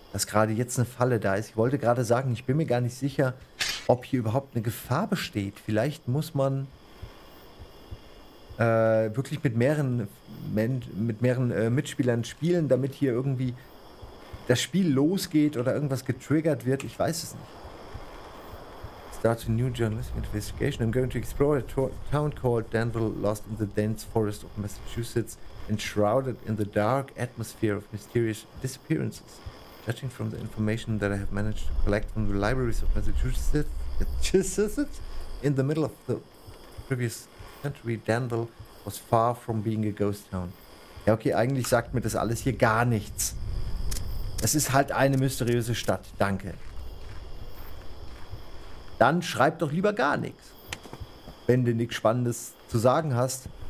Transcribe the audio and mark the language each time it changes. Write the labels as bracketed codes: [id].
[de] Dass gerade jetzt eine Falle da ist. Ich wollte gerade sagen, ich bin mir gar nicht sicher, ob hier überhaupt eine Gefahr besteht. Vielleicht muss man wirklich mit mehreren Mitspielern spielen, damit hier irgendwie das Spiel losgeht oder irgendwas getriggert wird. Ich weiß es nicht. [en] Start a new journalistic investigation. I'm going to explore a town called Danville, lost in the dense forest of Massachusetts, enshrouded in the dark atmosphere of mysterious disappearances. Judging from the information that I have managed to collect from the libraries of Massachusetts, in the middle of the previous century, Danville was far from being a ghost town. [de] Ja, okay, eigentlich sagt mir das alles hier gar nichts. Es ist halt eine mysteriöse Stadt, danke. Dann schreib doch lieber gar nichts, wenn du nichts Spannendes zu sagen hast.